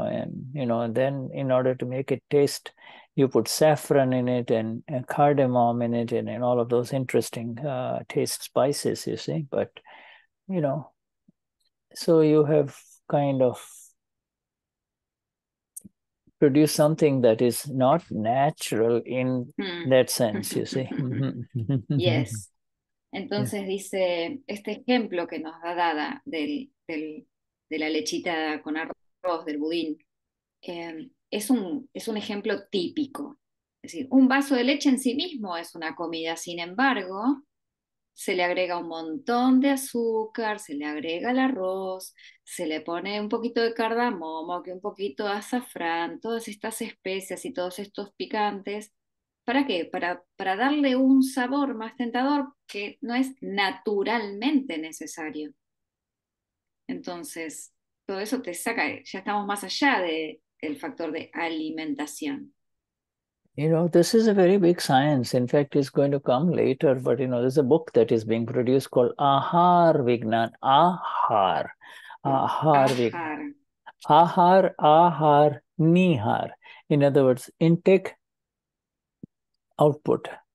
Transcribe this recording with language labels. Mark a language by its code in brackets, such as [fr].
[en] And, you know, then in order to make it taste, you put saffron in it and cardamom in it and all of those interesting taste spices, you see. But, you know, so you have kind of produce something that is not natural in that sense, you see. Yes. [es] Entonces dice, este ejemplo que nos da Dada de la lechita con arroz, del budín, es un ejemplo típico. Es decir, un vaso de leche en sí mismo es una comida, sin embargo, se le agrega un montón de azúcar, se le agrega el arroz, se le pone un poquito de cardamomo, que un poquito de azafrán, todas estas especias y todos estos picantes. ¿Para qué? Para darle un sabor más tentador que no es naturalmente necesario. Entonces, todo eso te saca, ya estamos más allá del factor de alimentación. [en] You know, this is a very big science. In fact, it's going to come later. But, you know, there's a book that is being produced called Ahar Vignan. Ahar. Ahar Vignan. Ahar, Ahar, Nihar. In other words, intake, output.